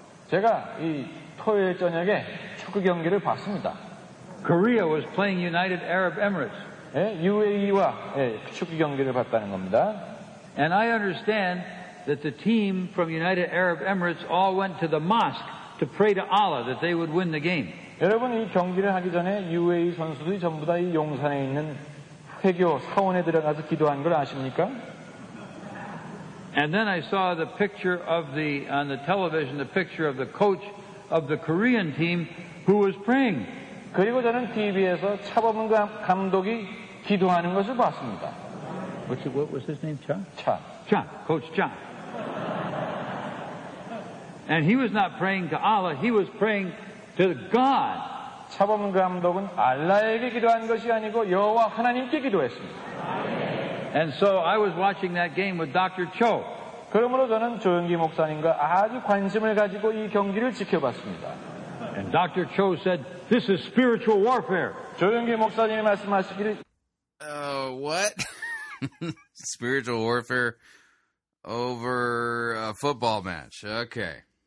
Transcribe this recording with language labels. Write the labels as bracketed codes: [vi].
[ko] 제가 이 토요일 저녁에 축구 경기를 봤습니다. [en] Korea was playing United Arab Emirates. [ko] 예, UAE와 예, 축구 경기를 봤다는 겁니다. [en] And I understand that the team from United Arab Emirates all went to the mosque to pray to Allah that they would win the game. [ko] 여러분, 이 경기를 하기 전에 UAE 선수들이 전부 다 이 용산에 있는 회교 사원에 들어가서 기도한 걸 아십니까? [en] And then I saw the picture of the on the television, the picture of the coach of the Korean team who was praying. [ko] 그리고 저는 TV에서 차범근 감독이 기도하는 것을 봤습니다. [en] What's his name? Chan? Chan. Chan. Coach Chan. And he was not praying to Allah. He was praying to God. [ko] 차범근 감독은 알라에게 기도한 것이 아니고 여호와 하나님께 기도했습니다. [en] And so I was watching that game with Dr. Cho. [ko] 그러므로 저는 조영기 목사님과 아주 관심을 가지고 이 경기를 지켜봤습니다. [en] And Dr. Cho said, "This is spiritual warfare." [ko] 조영기 목사님이 말씀하시기를. [en] What? Spiritual warfare over a football match? Okay.